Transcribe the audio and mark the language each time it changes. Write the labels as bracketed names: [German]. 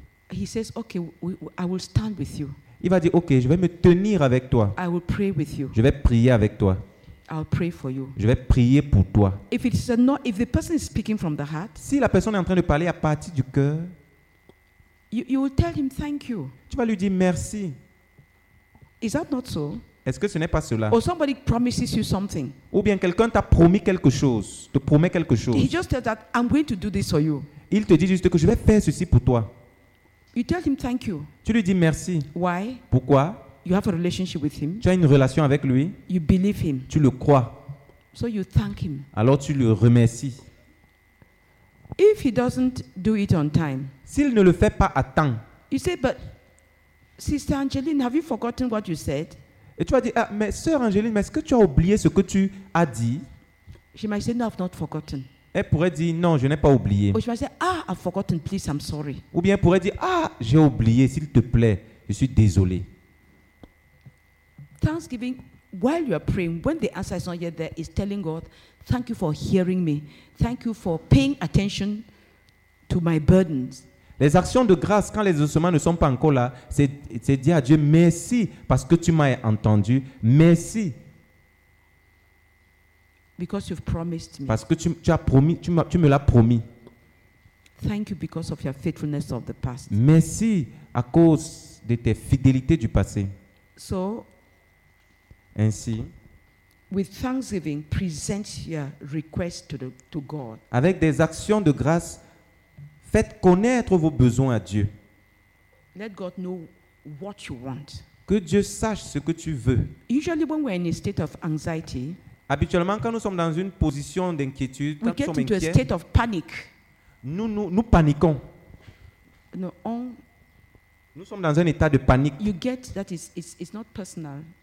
[English] He says, okay, I will stand with you. [French] Il va dire, okay, je vais me tenir avec toi. [English] I will pray with you. [French] Je vais prier avec toi. [English] I'll pray for you. [French] Je vais prier pour toi. [English] If it's not, if the person is speaking from the heart. [French] Si la personne est en train de parler à partir du cœur. [English] You will tell him thank you. [French] Tu vas lui dire merci. [English] Is that not so? [French] Est-ce que ce n'est pas cela? [English] Or somebody promises you something. [French] Ou bien quelqu'un t'a promis quelque chose, te promet quelque chose. [English] He just tells that I'm going to do this for you. [French] Il te dit juste que je vais faire ceci pour toi. [English] You tell him thank you. [French] Tu lui dis merci. [English] Why? [French] Pourquoi? [English] You have a relationship with him. [French] Tu as une relation avec lui. [English] You believe him. [French] Tu le crois. [English] So you thank him. [French] Alors tu le remercies. [English] If he doesn't do it on time. [French] S'il ne le fait pas à temps. [English] You say, but Sister Angeline, have you forgotten what you said? [French] Et tu as dit, ah, mais sœur Angeline, mais est-ce que tu as oublié ce que tu as dit? [English] She might say, no, I've not forgotten. [French] Elle pourrait dire, non, je n'ai pas oublié. [English] Or she might say, ah, I've forgotten, please, I'm sorry. [French] Ou bien pourrait dire, ah, j'ai oublié, s'il te plaît, je suis désolé. [English] Thanksgiving, while you are praying, when the answer is not yet there, is telling God, thank you for hearing me. Thank you for paying attention to my burdens. [French] Les actions de grâce, quand les ossements ne sont pas encore là, c'est dire à Dieu merci parce que tu m'as entendu. Merci. [English] Because you've promised me. [French] Parce que tu as promis, tu me l'as promis. [English] Thank you because of your faithfulness of the past. [French] Merci à cause de tes fidélités du passé. [English] So, [French] ainsi, [English] with thanksgiving, present your request to God. [French] Avec des actions de grâce, faites connaître vos besoins à Dieu. [English] Let God know what you want. [French] Que Dieu sache ce que tu veux. [English] Usually, when we're in a state of anxiety, [French] habituellement, quand nous sommes dans une position d'inquiétude, [English] we get into a state of panic. [French] Nous paniquons. Nous sommes dans un état de panique. [English] You get that it's not personal.